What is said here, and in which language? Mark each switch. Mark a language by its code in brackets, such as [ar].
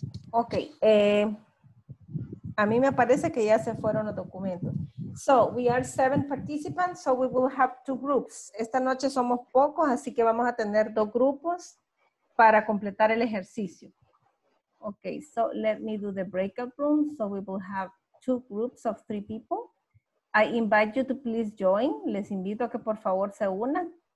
[en] Okay. [es] A mí me parece que ya se fueron los documentos. [en] So, we are 7 participants, so we will have 2 groups. [es] Esta noche somos pocos, así que vamos a tener 2 grupos para completar el ejercicio. [en] Okay, so let me do the breakout room. So we will have 2 groups of 3 people. I invite you to please join. [es] Les invito a que por favor se unan.